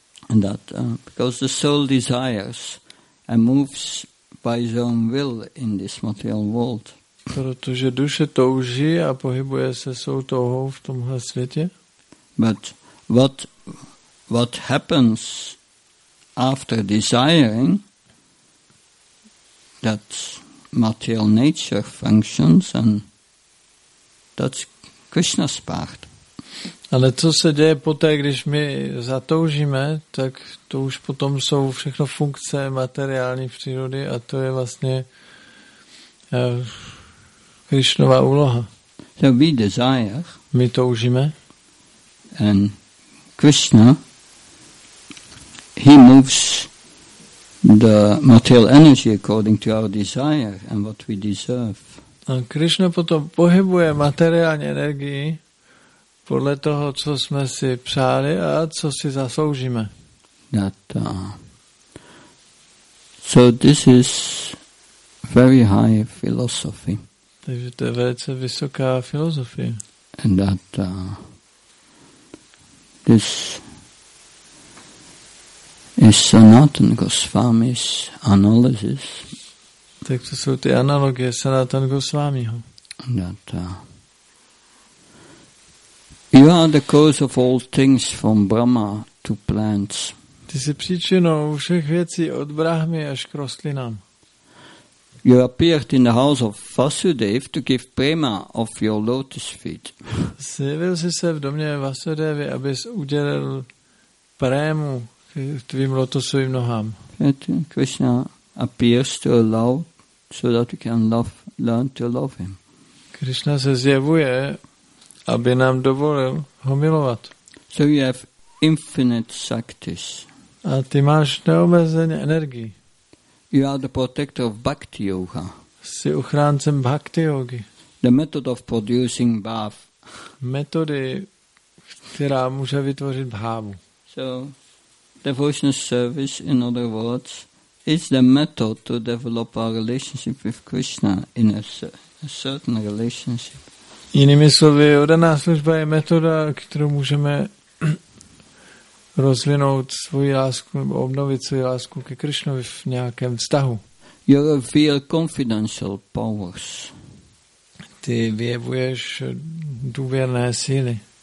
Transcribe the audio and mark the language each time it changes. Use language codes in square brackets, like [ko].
[en] And that because the soul desires and moves by its own will in this material world. [cs] Protože duše touží a pohybuje se svou touhou v tomhle světě. [en] But what happens after desiring that material nature functions and that's Krishna's part. [cs] Ale co se děje poté, když my zatoužíme, tak to už potom jsou všechno funkce materiální přírody a to je vlastně Krišnova úloha. [en] So we desire, [cs] my toužíme. [en] And Krishna, he moves the material energy according to our desire and what we deserve. [cs] A Krishna potom pohybuje materiální energii podle toho, co jsme si přáli a co si zasloužíme. [en] So this is very high philosophy. [cs] Takže to je velice vysoká filozofie. [en] And that this is Sanatan Goswami's analysis. [cs] Tak to jsou ty analogie Sanatan Goswamiho. [en] That you are the cause of all things from Brahma to plants. [cs] Ty jsi příčinou všech věcí od Brahmy až k rostlinám. [en] You appeared in the house of Vasudev to give prema of your lotus feet. [cs] Zjevil jsi se v domě Vasudevy, abys udělil prému k tvým lotosovým nohám. [en] Krishna appears to allow so that we can learn to love him. [cs] Krishna se zjevuje, aby nám dovolil ho milovat. [en] So you have infinite saktis. [cs] A ty máš neomezené energii. [en] You are the protector of Bhakti Yoga. [cs] Jsi ochráncem Bhakti Yogi. [en] The method of producing bhav. [cs] Metody, která může vytvořit bhavu. [en] So, devotional service, in other words, is the method to develop our relationship with Krishna in a certain relationship. [cs] Jinými slovy, oddaná služba je metoda, kterou můžeme rozvinout svoji lásku nebo obnovit svoji lásku ke Krišnovi v nějakém vztahu. [en] You reveal confidential powers. [cs] Ty vyjevuješ důvěrné síly.